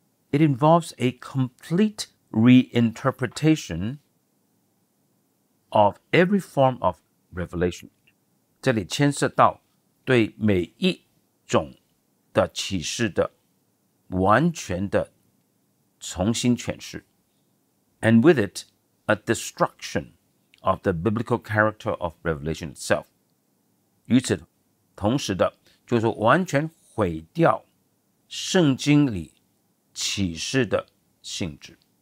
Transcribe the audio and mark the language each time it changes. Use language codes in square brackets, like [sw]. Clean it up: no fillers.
[en] It involves a complete reinterpretation of every form of revelation。 [zh] 这里牵涉到对每一种的启示的完全的重新诠释。 [en] And with it, a destruction of the biblical character of revelation itself。 [zh] 与此同时的就是完全毁掉圣经里启示的性质。